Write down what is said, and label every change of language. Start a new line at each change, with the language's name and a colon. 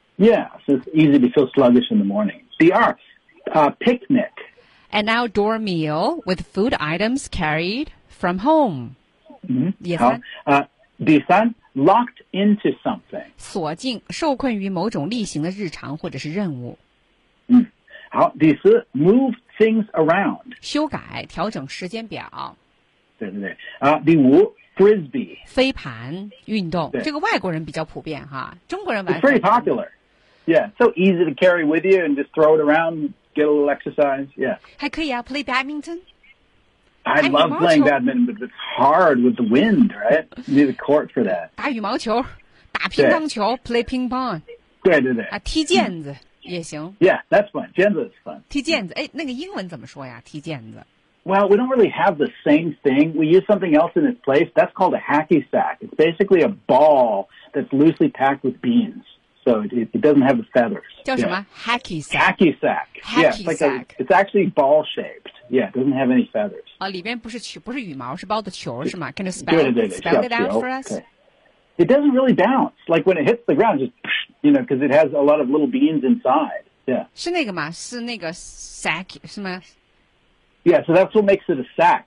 English: Yeah, so it's easy to feel sluggish in the morning. The arts,、picnic. An outdoor meal with food items carried from home. Yes.
Chinese: 第三
English: locked into something.
Chinese: 锁进受困于某种例行的日常或者是任务。好，第四
English: move things around.
Chinese: 修改调整时间表。对对对，第五 ，frisbee 飞盘运动，这个外国人比较普遍哈，中国人玩。
English: It's pretty popular. Yeah, so easy to carry with you and just throw it around, get a little exercise. Yeah.
Chinese: 还可以啊 ，
English: play badminton. I love playing badminton, but it's hard with the wind, right? You need a court for that.
Chinese: 打羽毛球，打乒乓球 ，
English: play ping pong.
Chinese: 对对对。啊，踢毽子也行。
English: Yeah, that's fun. 毽子 is fun.
Chinese: 踢毽子，哎，那个英文怎么说呀？踢毽子。
English: Well, we don't really have the same thing. We use something else in its place. That's called a hacky sack. It's basically a ball that's loosely packed with beans. So it doesn't have the feathers. 叫什么 ?Hacky sack. Hacky sack. Hacky sack. Yeah, it's actually ball-shaped. Yeah, it doesn't have any feathers.
Chinese: 啊，里边不是球，不是羽毛，是包的球，是吗？
English: Can you spell it out for us? It doesn't really bounce. Like when it hits the ground, just, you know, because it has a lot of little beans inside. Yeah.
Chinese: 是那个吗？是那个 sack, 是吗？
English: Yeah, so that's what makes it a sack.